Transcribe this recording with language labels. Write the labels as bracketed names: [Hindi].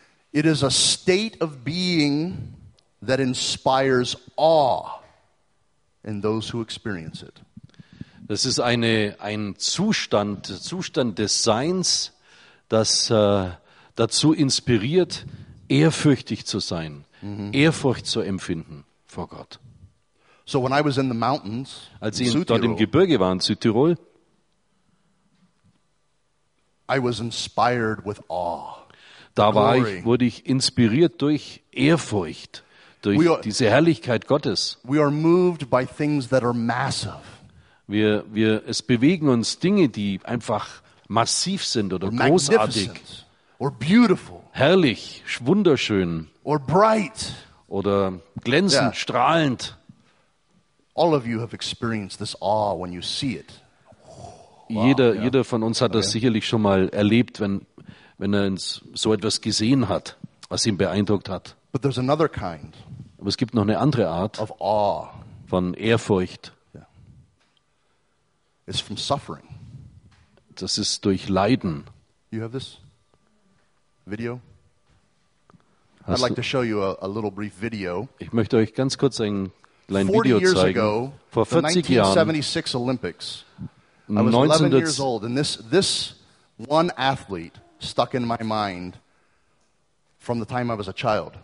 [English] It is a state of being that inspires awe in those who experience it. [German] Das ist ein Zustand des Seins, das dazu inspiriert, ehrfürchtig zu sein, Ehrfurcht zu empfinden vor Gott. [English] So when I was in the mountains, [German] als ich dort im Gebirge war in Südtirol, [English] I was inspired with awe. [German] Da war ich, wurde ich inspiriert durch Ehrfurcht, durch diese Herrlichkeit Gottes. [English] We are moved by things that are massive. [German] Es bewegen uns Dinge, die einfach massiv sind oder großartig, [English] or beautiful, [German] herrlich, wunderschön, [English] or bright, [German] oder glänzend, yeah, strahlend. [English] All of you have experienced this awe when you see it. [German] Jeder von uns hat das sicherlich schon mal erlebt, wenn er so etwas gesehen hat, was ihn beeindruckt hat. [English] But there's another kind. [German] Aber es gibt noch eine andere Art [English] of awe. [German] Von Ehrfurcht. [English] Yeah. It's from suffering. [German] Das ist durch Leiden. [English] You have this video? I'd like to show you a little brief video. [German] Ich möchte euch ganz kurz ein kleines Video zeigen. [English] Ago, [German] vor 40 Jahren, [English] 1976 Olympics. I was 11 years old, and this one athlete stuck in my mind from the time I was a child.